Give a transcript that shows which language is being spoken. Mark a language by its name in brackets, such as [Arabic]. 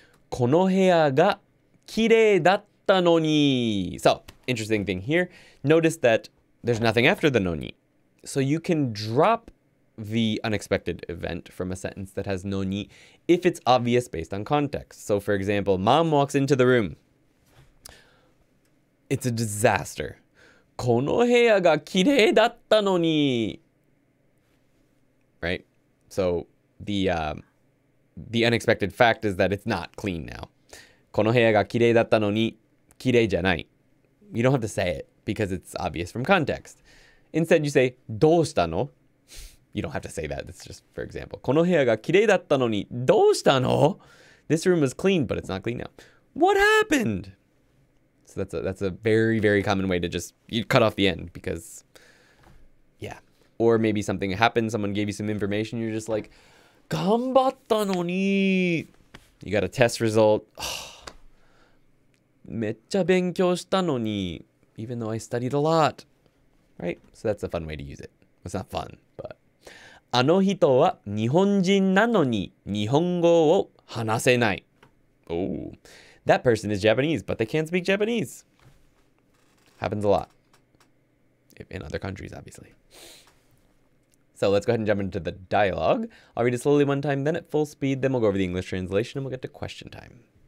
[Japanese] Kono heya ga kirei datta no ni. [English] So, interesting thing here. Notice that there's nothing after the のに.So you can drop the unexpected event from a sentence that has のに if it's obvious based on context. So for example, mom walks into the room. It's a disaster. [Japanese] この部屋がきれいだったのに. [English] Right? So the unexpected fact is that it's not clean now. [Japanese] この部屋がきれいだったのに、きれいじゃない。 [English] You don't have to say it because it's obvious from context. Instead, you say, [Japanese] どうしたの? [English] You don't have to say that. It's just for example. [Japanese] この部屋がきれいだったのに、どうしたの? [English] This room was clean, but it's not clean now. What happened? So that's a very, very common way to just you cut off the end because, yeah. Or maybe something happened, someone gave you some information, you're just like, [Japanese] 頑張ったのに。 [English] You got a test result. [Japanese] めっちゃ勉強したのに。 [English] Even though I studied a lot. Right? So that's a fun way to use it. It's not fun, but. [Japanese] あの人は日本人なのに日本語を話せない。 [English] Oh. That person is Japanese, but they can't speak Japanese. Happens a lot. In other countries, obviously. So let's go ahead and jump into the dialogue. I'll read it slowly one time, then at full speed, then we'll go over the English translation and we'll get to question time.